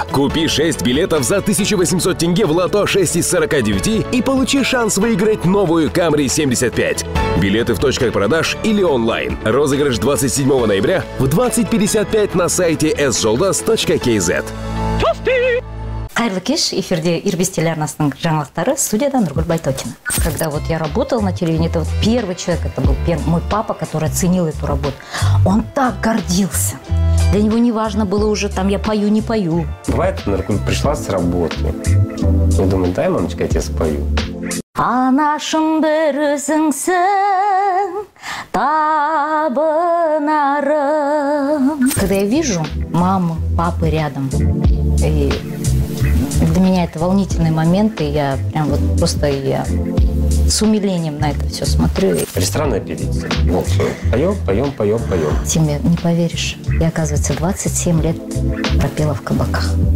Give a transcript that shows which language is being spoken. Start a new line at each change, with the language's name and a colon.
Russian: Купи 6 билетов за 1800 тенге в лото 6 из 49 и получи шанс выиграть новую Камри 75. Билеты в точках продаж или онлайн. Розыгрыш 27 ноября в 20:55 на сайте sjoldas.kz. Тосты!
Kazakh: Қайырлы кеш, эфирде Ирбис телеарнасының жаңалықтары, студиядан Нұргүл Байтокина.
Russian: Когда вот я работала на телевидении, это вот первый человек, это был первый, мой папа, который оценил эту работу. Он так гордился. Для него не важно было уже, там, я пою, не пою. Бывает, например, пришла с работы. Ну, думаю, дай, мамочка, я тебе спою.
Kazakh: Анашым бір өзіңсің табынарым.
Russian: Когда я вижу маму, папы рядом, и для меня это волнительный момент, и я прям вот просто я с умилением на это все смотрю. Ресторанная певица. Вот, поем. Тебе не поверишь, я, оказывается, 27 лет пропела в кабаках.